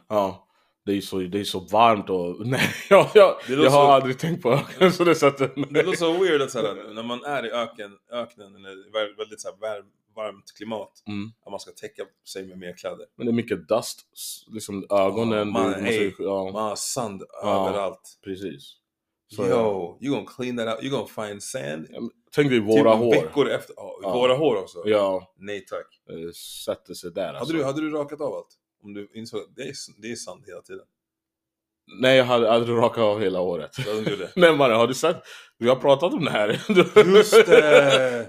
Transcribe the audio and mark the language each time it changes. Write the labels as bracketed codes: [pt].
[sv] Ja. Det är så varmt och... Nej, jag har aldrig tänkt på öknen så det sätter mig. Det låter så weird att såhär, när man är i öknen eller väldigt såhär varmt klimat, mm. att man ska täcka sig med mer kläder. Men det är mycket [en] dust, [sv] liksom ögonen. Man har sand överallt. Ja, precis. [en] Så, yo, you gonna clean that out, you gonna find sand. [sv] Tänk dig våra typ hår. Typ veckor efter, våra hår också. Ja. Nej, tack. Sätter sig där alltså. Hade du rakat av allt? Om du insåg att det är sant hela tiden. Nej, jag hade aldrig rakat av hela året. Det. Nej, Mario, har du sett? Vi har pratat om det här. Just det!